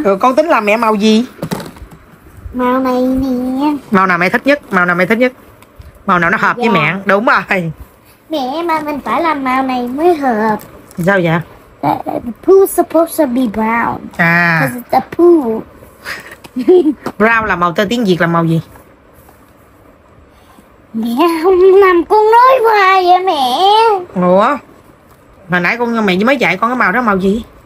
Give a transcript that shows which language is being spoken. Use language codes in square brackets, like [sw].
[vi] Rồi con tính làm mẹ màu gì? Màu này nè. Màu nào mẹ thích nhất? Màu nào mẹ thích nhất? Màu nào nó hợp với mẹ? Đúng rồi. Mẹ mà mình phải làm màu này mới hợp. Sao vậy? [en] The pool supposed to be brown. À. Cause it's a pool. [vi] Brown là màu tên tiếng Việt là màu gì? Mẹ không làm con nói hoài vậy mẹ. Ủa? Hồi nãy con mẹ mới dạy con cái màu đó màu gì?